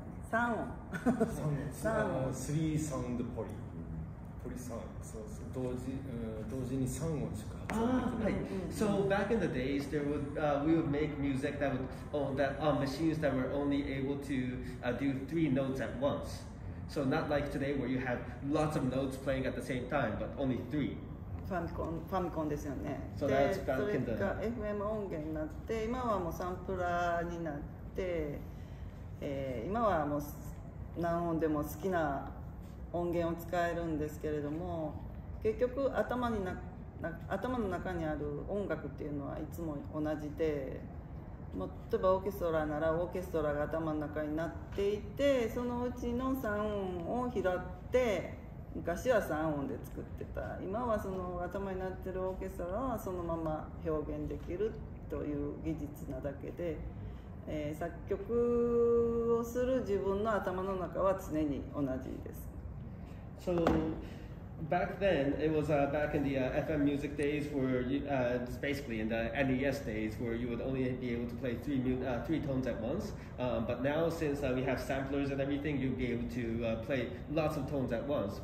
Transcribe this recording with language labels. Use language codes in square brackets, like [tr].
[ja] 3音3音3サウンドポリポリサウンド同時に3音しか発音できない。 [en] So back in the days there would, we would make music that would, that on machines that were only able to do three notes at once. So not like today where you have lots of notes playing at the same time but only three. [ja] ファミコンですよね。 [en] So that's back in the... [ja] それが FM 音源になって今はもうサンプラーになって今はもう何音でも好きな音源を使えるんですけれども結局頭の中にある音楽っていうのはいつも同じで例えばオーケストラならオーケストラが頭の中になっていてそのうちの3音を拾って昔は3音で作ってた今はその頭になってるオーケストラはそのまま表現できるという技術なだけで作曲をする自分の頭の中は常に同じです。 [en] So back then it was back in the FM music days where you, basically in the NES days where you would only be able to play three tones at once. But now since we have samplers and everything, you'd be able to play lots of tones at once.